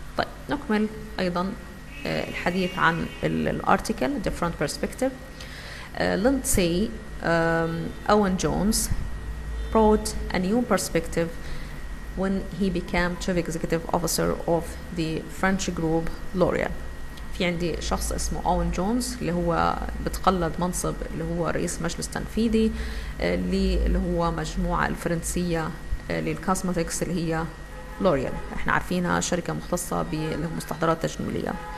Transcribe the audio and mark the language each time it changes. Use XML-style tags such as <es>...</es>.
<ar>طيب نكمل ايضا الحديث عن الارتيكل</ar> <en>different perspective. Lindsay Owen Jones brought a new perspective when he became chief executive officer of the French group L'Oréal.</en> <ar>في عندي شخص اسمه أوين جونز اللي هو بتقلد منصب اللي هو رئيس مجلس تنفيذي اللي هو مجموعة الفرنسية للكوزمتكس اللي هي L'Oréal. احنا عارفينها شركة مختصة بالمستحضرات التجميلية.</ar>